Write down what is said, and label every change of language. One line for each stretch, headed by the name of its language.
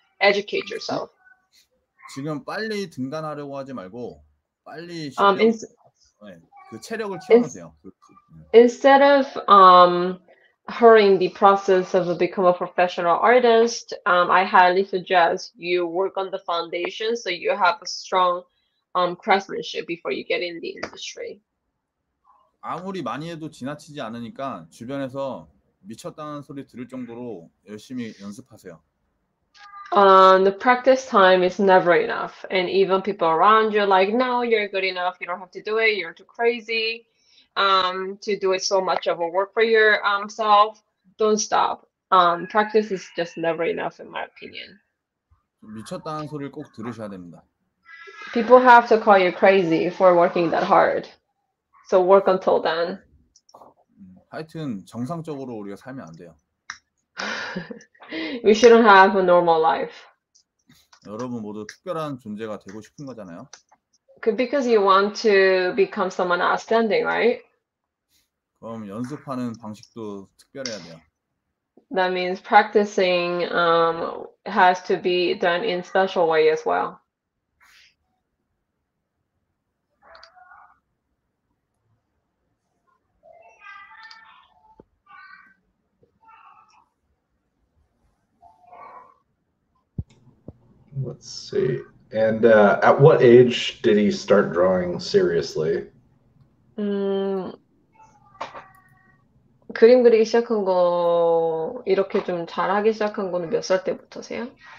English: Educate yourself.
Korean: 지금 빨리 등단하려고 하지 말고 빨리 실력, 네, 그 체력을 키우면 돼요.
English: Instead of hurrying the process of becoming a professional artist, I highly suggest you work on the foundation so you have a strong craftsmanship before you get in the industry.
Korean: 아무리 많이 해도 지나치지 않으니까 주변에서 미쳤다는 소리 들을 정도로 열심히 연습하세요.
English: The practice time is never enough, and even people around you are like, no, you're good enough, you don't have to do it, you're too crazy to do it so much of a work for yourself. Don't stop. Practice is just never enough, in my opinion.
Korean: 미쳤다는 소리를 꼭 들으셔야 됩니다.
English: People have to call you crazy for working that hard, so work until then.
Korean: 하여튼 정상적으로 우리가 살면 안 돼요.
English: We shouldn't have a normal life.
Korean: 여러분 모두 특별한 존재가 되고 싶은 거잖아요.
English: Because you want to become someone outstanding, right?
Korean: 그럼 연습하는 방식도 특별해야 돼요.
English: That means practicing has to be done in special way as well. Let's see. And at what age did he start drawing seriously?
Korean: 그림 그리기 시작한 거, 이렇게 좀 잘하기 시작한 거는 몇살 때부터세요?